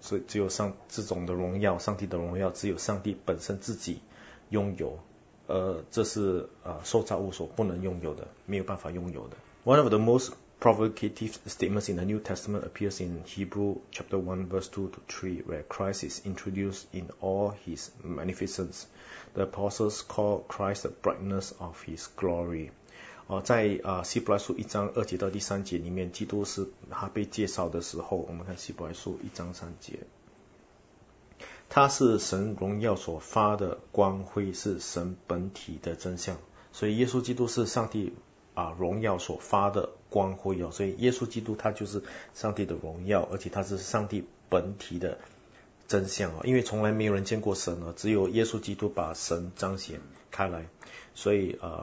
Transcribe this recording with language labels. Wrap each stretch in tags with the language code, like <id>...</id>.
<zh>所以只有这种的荣耀，上帝的荣耀只有上帝本身自己拥有，而这是受造物所不能拥有的，没有办法拥有的。</zh> <en>One of the most provocative statements in the New Testament appears in Hebrews chapter 1 verse 2-3, where Christ is introduced in all his magnificence. The apostles call Christ the brightness of his glory.</en> <zh>在希伯来书1:2-3里面，基督是他被介绍的时候，我们看希伯来书1:3，他是神荣耀所发的光辉，是神本体的真相。所以耶稣基督是上帝荣耀所发的光辉，所以耶稣基督他就是上帝的荣耀，而且他是上帝本体的真相，因为从来没有人见过神，只有耶稣基督把神彰显开来，所以</zh>